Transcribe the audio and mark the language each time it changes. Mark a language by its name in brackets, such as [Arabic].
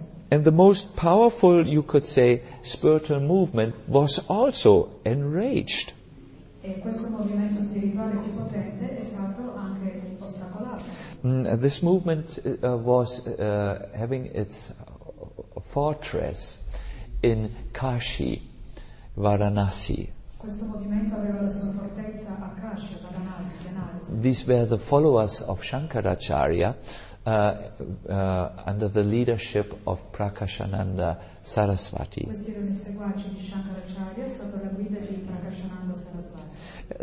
[English] And the most powerful, you could say, spiritual movement was also enraged. This movement was having its fortress in Kashi, Varanasi. [Italian] Questo movimento aveva la sua fortezza a Kashi, Varanasi. [English] These were the followers of Shankaracharya under the leadership of Prakashananda Saraswati. [Italian] Questi erano i seguaci di Shankaracharya sotto la guida di Prakashananda Saraswati.